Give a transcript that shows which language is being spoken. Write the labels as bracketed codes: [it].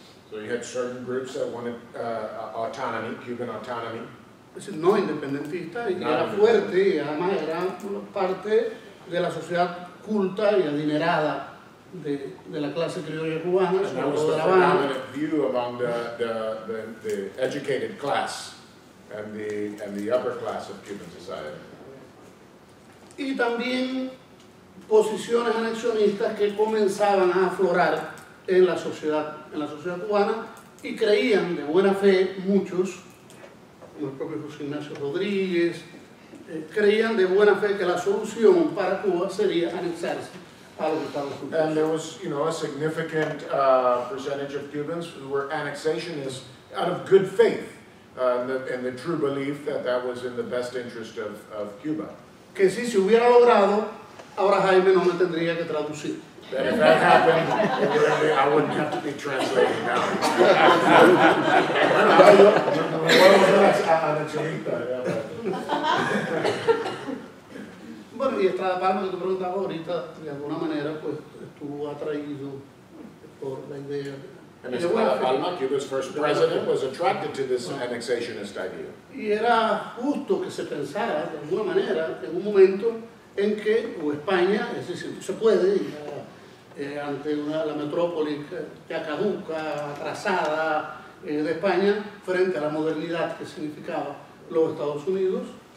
[en] So you had certain groups that wanted autonomy, Cuban autonomy. [es] Es decir, no independentista, y era fuerte, y además era parte de la sociedad culta y adinerada de la clase criolla cubana, sobre todo de La Habana. [en] And that was the view among the educated class and the upper class of Cuban society. [es] Y también posiciones anexionistas que comenzaban a aflorar en la sociedad cubana, y creían de buena fe muchos, los propios José Ignacio Rodríguez, creían de buena fe que la solución para Cuba sería anexarse a los Estados Unidos. [en] And there was, you know, a significant percentage of Cubans who were annexationists out of good faith and the true belief that that was in the best interest of Cuba. [es] Que si se hubiera logrado, ahora Jaime no me tendría que traducir. [en] That if that happened, I wouldn't have to be translating now. [es] Bueno, y Estrada Palma, que tú preguntabas ahorita, de alguna manera, pues, estuvo atraído por la idea. [en] And Estrada Palma, Cuba's first president, was attracted to this annexationist idea. [es] Y era justo que se pensara, de alguna manera, en un momento en que o España, es decir, se puede ante la metrópoli ya caduca, atrasada de España, frente a la modernidad que significaba los Estados Unidos.